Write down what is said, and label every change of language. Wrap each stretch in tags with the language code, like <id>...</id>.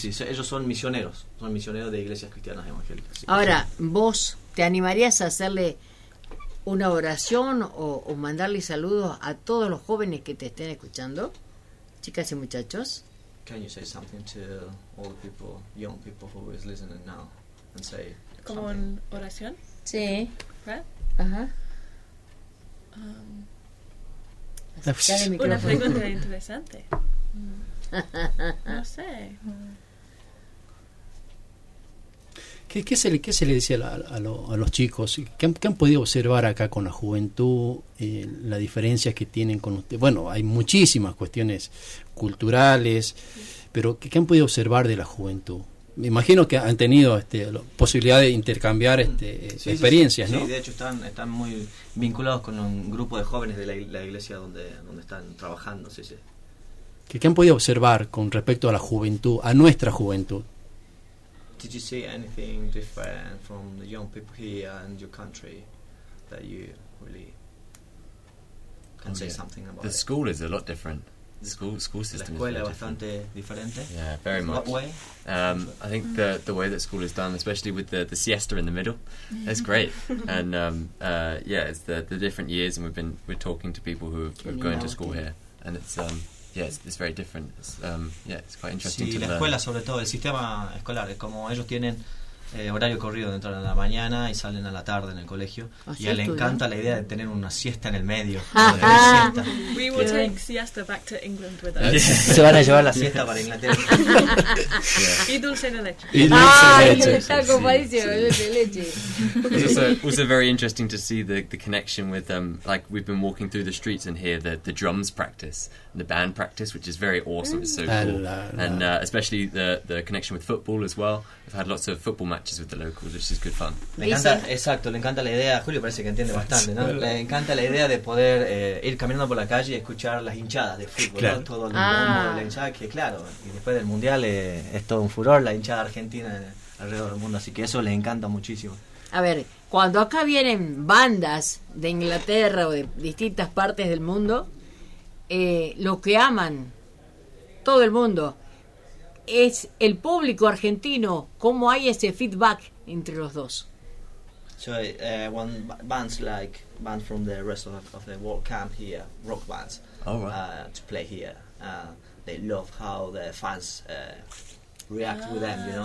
<es>Sí, sí, ellos son misioneros de iglesias cristianas evangélicas. Sí. Ahora, ¿vos te animarías a hacerle una oración o mandarle saludos a todos los jóvenes que te estén escuchando? Chicas y muchachos.</es> <en>Can you say something to all the people, young people who is listening now, and say?</en> <es>Como</es> <en>something?</en> <es>En oración. Sí. ¿Verdad? Ajá. Una pregunta interesante. No sé. ¿Qué se le dice a los chicos? ¿Qué han podido observar acá con la juventud? Las diferencias que tienen con usted. Bueno, hay muchísimas cuestiones culturales, pero ¿qué han podido observar de la juventud? Me imagino que han tenido posibilidad de intercambiar sí, experiencias, sí, sí, ¿no? Sí, de hecho están muy vinculados con un grupo de jóvenes de la iglesia donde están trabajando. Sí, sí. ¿Qué han podido observar con respecto a la juventud, a nuestra juventud?</es> <en>Did you see anything different from the young people here in your country that you really can say something about? The school is a lot different. The school system is different.</en> <es>La escuela es bastante diferente.</es> <en>Yeah, very much. What way? I think the way that school is done, especially with the siesta in the middle, that's great. And it's the different years, and we're talking to people who are going to school here, and it's very different. It's quite interesting.</en> <es>Sí,</es> <en>to</en> <es>la</es> <en>learn.</en> <es>Escuela, sobre todo el sistema escolar, es como ellos tienen horario corrido de entrar en la mañana y salen a la tarde en el colegio. Así y a él le encanta la idea de tener una siesta en el medio.</es> <en>We will take siesta back to England with us.</en> <es>Se van a llevar la siesta para Inglaterra.</es> <en>Yeah.</en> <es>Y dulce de leche. Y dulce de leche. Está compadísimo, dulce de leche.</es> <en>It's also very interesting to see the connection with like we've been walking through the streets and hear the drums practice, the band practice, which is very awesome. It's so cool. And especially the connection with football as well. We've had lots of football matches with the locals, which is good fun.</en> <es>Le encanta la idea, Julio parece que entiende bastante, ¿no? Le encanta la idea de poder ir caminando por la calle y escuchar las hinchadas de fútbol, claro, ¿no? Todo el mundo, la hinchada, que claro, y después del mundial es todo un furor la hinchada argentina alrededor del mundo, así que eso le encanta muchísimo. A ver, cuando acá vienen bandas de Inglaterra o de distintas partes del mundo, lo que aman todo el mundo es el público argentino. ¿Cómo hay ese feedback entre los dos?</es> <en>So when bands like band from the rest of the world come here, rock bands, to play here, they love how the fans react with them, you know.</en>